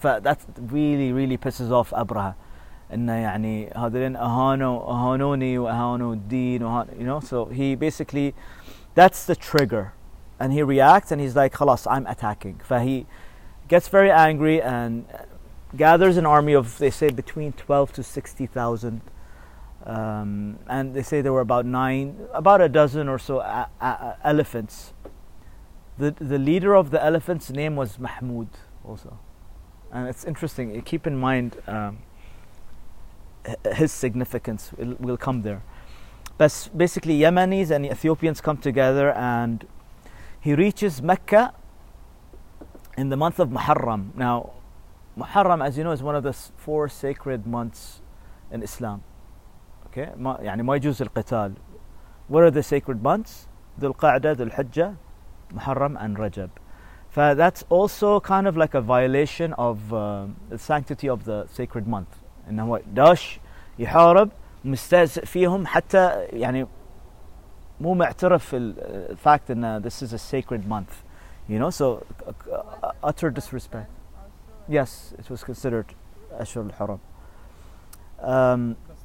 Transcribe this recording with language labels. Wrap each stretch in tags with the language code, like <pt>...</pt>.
<en>That really really pisses off Abraha.</en> <ar>إنه يعني هذين أهانوني وأهانوا الدين,</ar> <en>you know. So he basically, that's the trigger. And he reacts and he's like,</en> <ar>خلاص,</ar> <en>I'm attacking.</en> <ar>فهي</ar> <en>gets very angry and gathers an army of, they say, between 12 to 60,000. And they say there were about a dozen or so elephants. The leader of the elephants' name was Mahmud also. And it's interesting, keep in mind his significance, we'll come there. But basically, Yemenis and Ethiopians come together, and he reaches Mecca in the month of Muharram. Now, Muharram, as you know, is one of the four sacred months in Islam. Okay?</en> <ar>يعني ما يجوز القتال.</ar> <en>What are the sacred months?</en> <ar>ذو القعدة, ذو الحجة, Muharram, and Rajab.</ar> <en>That's also kind of like a violation of the sanctity of the sacred month.</en> <ar>إنه داش يحارب مستهزئ فيهم حتى يعني مو معترف في الفاكت إن</ar> <en>this is a sacred month, you know, so utter disrespect. Yes, it was considered</en> <ar>أشهر الحرم.</ar>